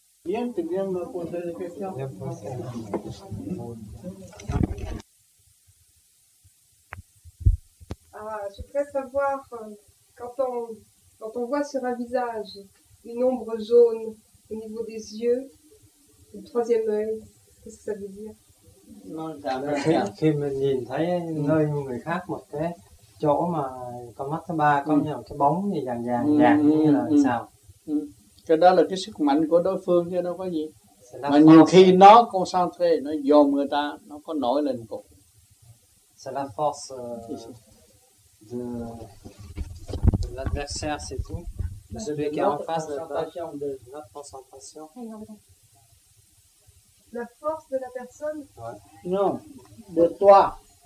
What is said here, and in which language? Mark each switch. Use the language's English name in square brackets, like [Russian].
[French] Je voudrais savoir quand on voit sur un visage une ombre jaune au niveau des yeux, le troisième œil, qu'est-ce que ça veut dire? [Vietnamese] Khi mình nhìn thấy nơi người khác một cái chỗ mà con mắt thứ ba có như là cái bóng gì vàng vàng vàng như là sao? Cái đó là cái sức mạnh của đối phương chứ đâu có gì. Mà nhiều khi nó concentrate, nó dồn người ta, nó có nổi lên cục. [French] C'est la force de l'adversaire, c'est tout. De celui qui est en face de la concentration. La force de la personne? Ouais. Non, de toi.